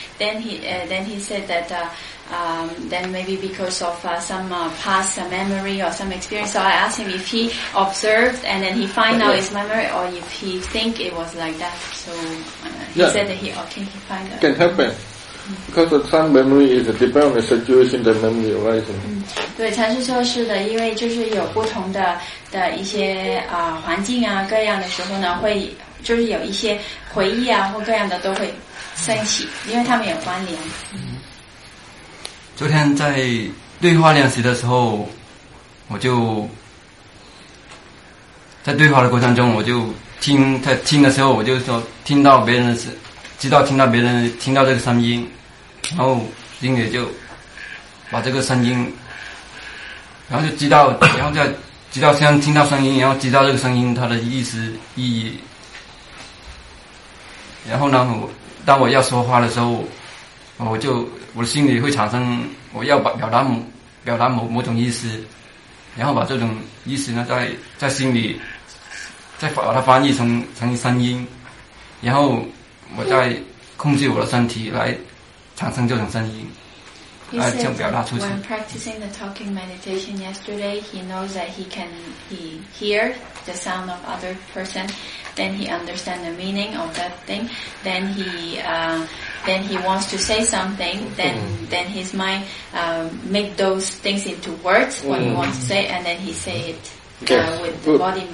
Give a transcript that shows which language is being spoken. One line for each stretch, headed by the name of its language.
English: Then he said that, then maybe because of some past memory or some experience. So I asked him if he observed and then he find out his memory or if he think it was like that. So he said that he, okay, he find out. Can happen. Because some memory is depend on the situation, the memory arising.
Chinese: 对，禅师说是的，因为就是有不同的一些环境啊，各样的时候呢，会就是有一些回忆啊或各样的都会升起，因为他们有关联。昨天在对话练习的时候，我就在对话的过程中，我就在听的时候，我就说听到别人是。知道听到别人听到这个声音，然后心里就把这个声音，然后就知道，然后再知道像听到声音，然后知道这个声音它的意思意义。然后呢，当我要说话的时候，我心里会产生我要表达某种意思，然后把这种意思呢在心里再把它翻译成声音，然后我再控制我的身体来产生这种声音。
English: When practicing the talking meditation yesterday, he knows that he hear the sound of other person, then he understand the meaning of that thing, then he wants to say something, then his mind make those things into words, what he wants to say, and then he say it with the body